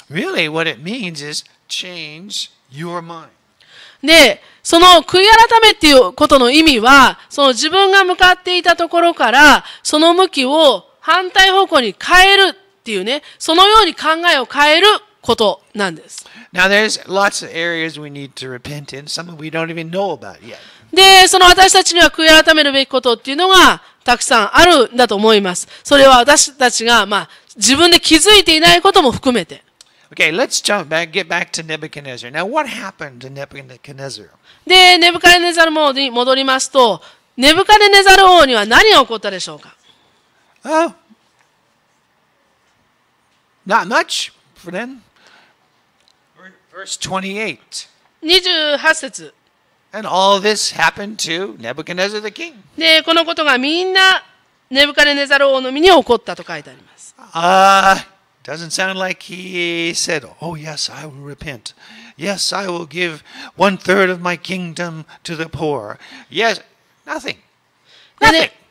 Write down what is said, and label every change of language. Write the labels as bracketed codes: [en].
[en] Really, what it means is change. Your mind. [ja] で、その悔い改めっていうことの意味は、その自分が向かっていたところから、その向きを反対方向に変えるっていうね、そのように考えを変えることなんです。 [en] Now, there's lots of areas we need to repent in, some we don't even know about yet. [ja] で、その私たちには悔い改めるべきことっていうのがたくさんあるんだと思います。それは私たちが、まあ、自分で気づいていないことも含めて。 [en] Okay, let's jump back, get back to Nebuchadnezzar. Now, what happened to Nebuchadnezzar? [ja] で、ネブカデネザル王に戻りますと、ネブカデネザル王には何が起こったでしょうか? [en] Oh, not much for then. Verse 28. [ja] 28節。 [en] And all this happened to Nebuchadnezzar the king. [ja] で、このことがみんなネブカデネザル王の身に起こったと書いてあります。 [en] Doesn't sound like he said, Oh yes, I will repent. Yes, I will give one third of my kingdom to the poor. Yes, nothing. Nothing.